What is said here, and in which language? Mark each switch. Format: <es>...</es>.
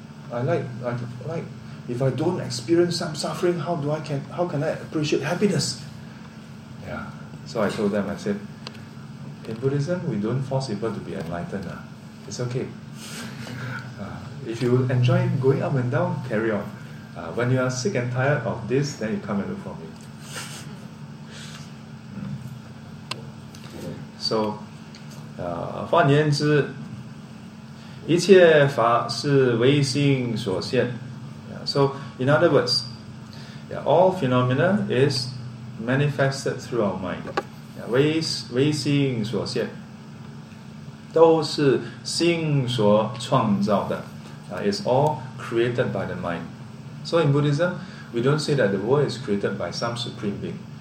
<en>I like, if I don't experience some suffering, how can I appreciate happiness? Yeah. So I told them, I said, in Buddhism, we don't force people to be enlightened. It's okay. If you enjoy going up and down, carry on. When you are sick and tired of this, then you come and look for me.</en> <zh>So, 换言之，一切法是唯心所现。</zh> <en>So, in other words, all phenomena is manifested through our mind.</en> <zh>唯心所现，都是心所创造的。</zh> <en>It's all created by the mind. So in Buddhism, we don't say that the world is created by some supreme being.</en>